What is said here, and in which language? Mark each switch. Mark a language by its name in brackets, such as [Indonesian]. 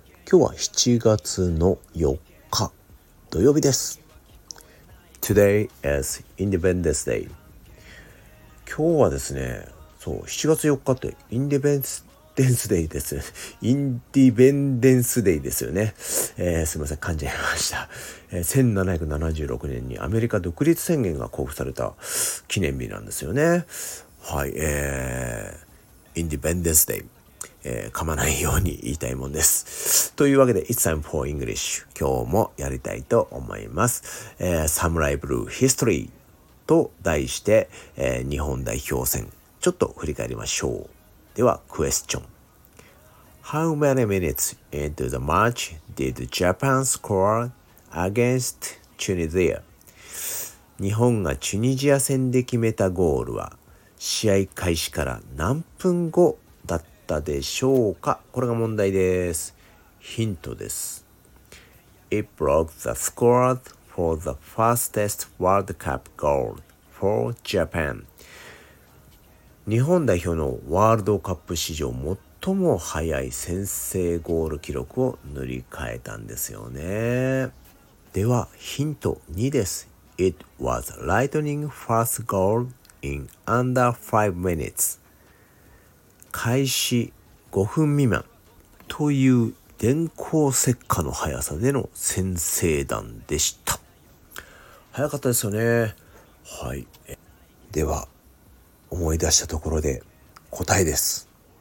[Japanese] 今日は7月の4日、土曜日です。 [English] Today is Independence Day. [Japanese] 今日はですね、そう、7月4日ってインディペンデンスデイですね。インディペンデンスデイですよね。すいません、噛んじゃいました。 1776年にアメリカ独立宣言が公布された記念日なんですよね。はい、インディペンデンスデイ。噛まないように言いたいもんです。というわけで、 [English] It's time for English. [Japanese] 今日もやりたいと思います。サムライブルーヒストリーと題して、日本代表戦、ちょっと振り返りましょう。では、クエスチョン。 [English] How many minutes into the match did Japan score against Tunisia? [Japanese] 日本がチュニジア戦で決めたゴールは、試合開始から何分後だったでしょうか。これが問題です。ヒントです。 [English] It broke the score for the fastest World Cup goal for Japan. [Japanese] 日本代表のワールドカップ史上最も早い先制ゴール記録を塗り替えたんですよね。ではヒント2です。 [English] It was lightning fast goal in under 5 minutes. [Japanese] 開始5分未満という電光石火の速さでの先制弾でした。早かったですよね。はい、では思い出したところで答えです。